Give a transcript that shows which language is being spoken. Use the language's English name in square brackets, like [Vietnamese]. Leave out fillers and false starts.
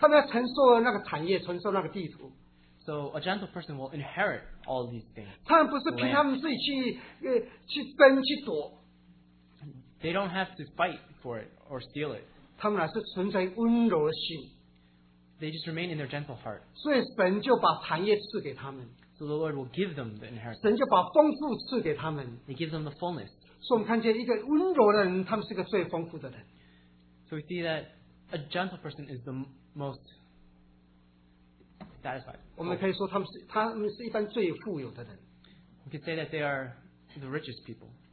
[Chinese] 所以一个温柔的人，他们所承受，他们要承受的那个产业，承受那个地图。 [English] So a gentle person will inherit all these things. [Chinese] 他们不是凭他们自己去争去夺。 [English] They don't have to fight for it or steal it. [Chinese] 他们乃是存在温柔的心。 [English] They just remain in their gentle heart. [Chinese] 所以神就把产业赐给他们。 [English] So the Lord will give them the inheritance. He gives them the fullness. So we see that a gentle person is the most satisfied. Oh. We could say that they are the richest people.